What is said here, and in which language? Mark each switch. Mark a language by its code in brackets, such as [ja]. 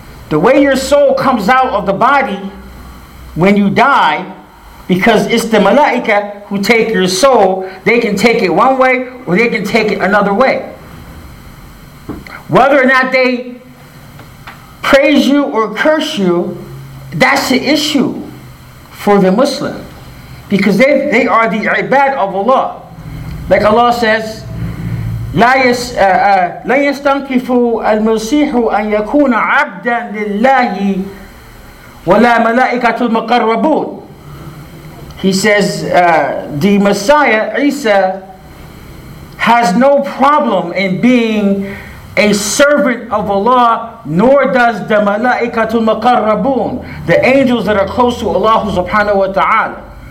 [en] The way your soul comes out of the body when you die, because it's the malaika who take your soul, they can take it one way or they can take it another way. Whether or not they praise you or curse you, that's the issue for the Muslim, because they are the ibad of Allah. [ar] Like Allah says, لا يستنكف المسيح أن يكون عبدا لله ولا ملائكة المقربون. [en] He says, the Messiah, Isa, has no problem in being a servant of Allah, nor does the ملائكة المقربون, the angels that are close to Allah subhanahu wa ta'ala.